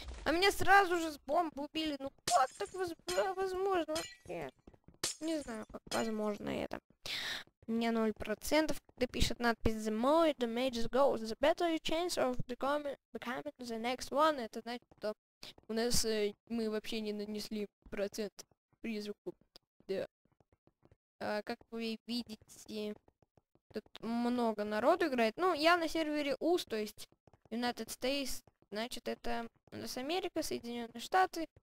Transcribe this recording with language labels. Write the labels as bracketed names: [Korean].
[Russian] А меня сразу же с бомбы убили. Ну как так возможно? Нет. Не знаю, как возможно это. У меня 0%, когда пишет надпись [English] The more damage goes, the better your chance of becoming the next one. [Russian] Это значит, что у нас мы вообще не нанесли процент призраку. Да. А, как вы видите, тут много народу играет. Ну, я на сервере US, то есть United States, значит, это у нас Америка, Соединенные Штаты.